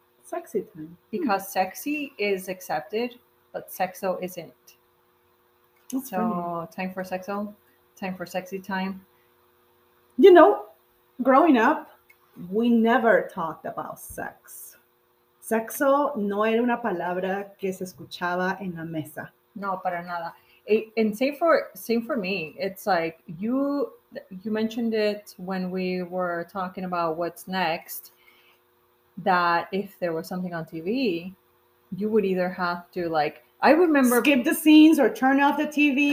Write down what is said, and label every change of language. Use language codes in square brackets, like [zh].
[en] Sexy time. Because sexy is accepted, but sexo isn't. That's so funny. Time for sexo, time for sexy time. You know, growing up, we never talked about sex. [es] Sexo no era una palabra que se escuchaba en la mesa. No, para nada. [en] And same for me. It's like you mentioned it when we were talking about what's next, that if there was something on TV, you would either have to, like, I remember, skip the scenes or turn off the TV.